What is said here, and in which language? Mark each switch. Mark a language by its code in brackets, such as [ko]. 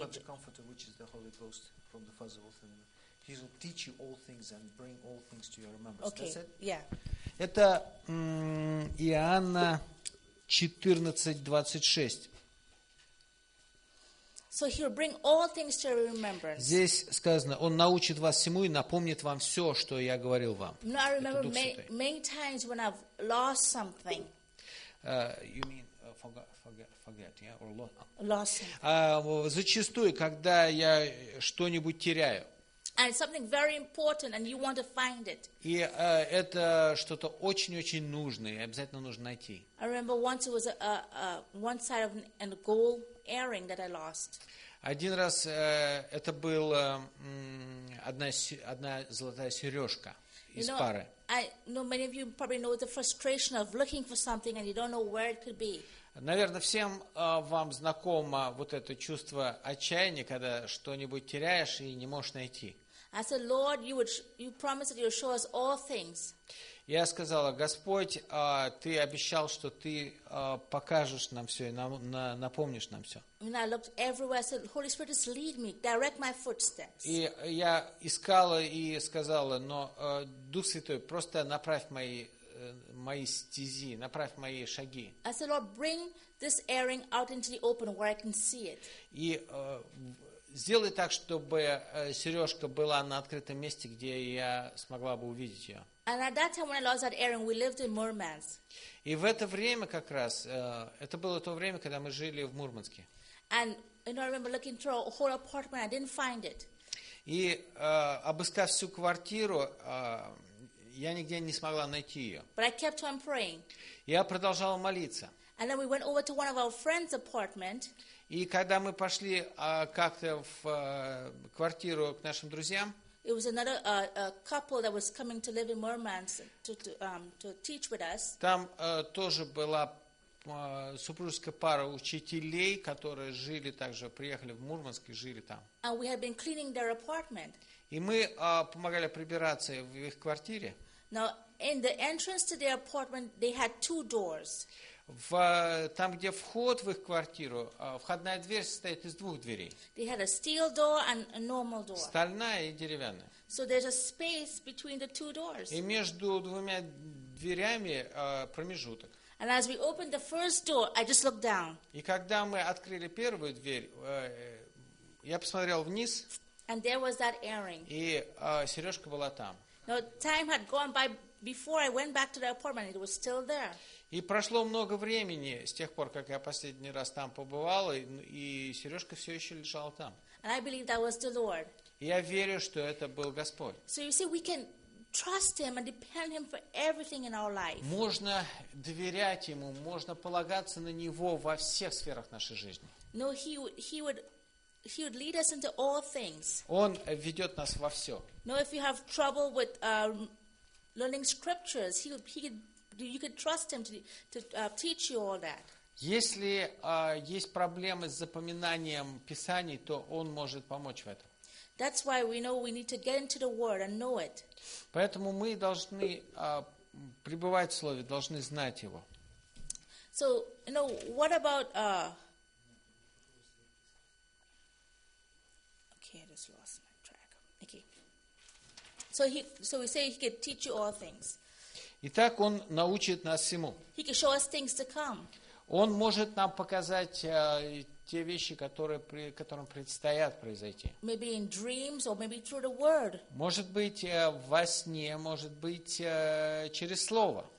[en] But the Comforter, which is the Holy Ghost from the Father of all things, He will teach you all things and bring all things to your remembrance. Okay. That's it? [ru] Это Иоанна 14:26. [en] So He'll bring all things to your remembrance. [ru] Здесь сказано, Он научит вас всему и напомнит вам все, что я говорил вам. [en] No, I remember many times when I've lost something. You mean forget, yeah, or lost. [ru] Зачастую, когда я что-нибудь теряю. [en] And something very important, and you want to find it. [ru] И это что-то очень-очень нужное, и обязательно нужно найти. [en] I remember once it was one side of a gold earring that I lost. [ru] Один раз это была одна золотая сережка. [en] Many of you probably know the frustration of looking for something and you don't know where it could be. [ru] Наверное, всем вам знакомо вот это чувство отчаяния, когда что-нибудь теряешь и не можешь найти. [en] I said, Lord, you promised that you'll show us all things. [ru] Я сказала, Господь, Ты обещал, что Ты покажешь нам все и напомнишь нам все. [en] When I looked everywhere, I said, Holy Spirit, just lead me, direct my footsteps. [ru] И я искала и сказала, но Дух Святой, просто направь мои стези, направь мои шаги. [en] I said, Lord, bring this airing out into the open where I can see it. [ru] И сделай так, чтобы сережка была на открытом месте, где я смогла бы увидеть ее. [en] And at that time, when I lost that earring, we lived in Murmansk. [ru] И в это время как раз, это было то время, когда мы жили в Мурманске. [en] And you know, I remember looking through a whole apartment, I didn't find it. [ru] И обыскав всю квартиру, я нигде не смогла найти ее. [en] But I kept on praying. [ru] Я продолжала молиться. [en] And then we went over to one of our friend's apartment. [ru] И когда мы пошли как-то в квартиру к нашим друзьям, [en] it was another couple that was coming to live in Murmansk to teach with us. [ru] Там тоже была супружеская пара учителей, которые жили также, приехали в Мурманск и жили там. [en] We have been cleaning their apartment. [ru] И мы помогали прибираться в их квартире. [en] Now, in the entrance to their apartment, they had two doors. [ru] Там, где вход в их квартиру, входная дверь состоит из двух дверей. [en] They had a steel door and a normal door. [ru] Стальная и деревянная. [en] So there's a space between the two doors. [ru] И между двумя дверями промежуток. [en] And as we opened the first door, I just looked down. [ru] И когда мы открыли первую дверь, я посмотрел вниз. [en] And there was that earring. [ru] И сережка была там. [en] Now time had gone by before I went back to the apartment. It was still there. [ru] И прошло много времени с тех пор, как я последний раз там побывал, и сережка все еще лежала там. [en] And I believe that was the Lord. [ru] Я верю, что это был Господь. [en] So you see, we can trust Him and depend Him for everything in our life. [ru] Можно доверять Ему, можно полагаться на Него во всех сферах нашей жизни. [en] No, He would lead us into all things. [ru] Он ведет нас во все. [en] No, if you have trouble with learning scriptures, you could trust Him to teach you all that. [ru] Если есть проблемы с запоминанием Писаний, то Он может помочь в этом. [en] That's why we know we need to get into the Word and know it. [ru] Поэтому мы должны пребывать в Слове, должны знать Его. [en] So, you know, what about... Okay, I just lost my track. Okay. So we say He could teach you all things. [ru] Итак, Он научит нас всему. [en] He can show us things to come. [ru] Он может нам показать те вещи, которым предстоят произойти. [en] Maybe in dreams or maybe through the word. [ru] Может быть, во сне, может быть, через слово.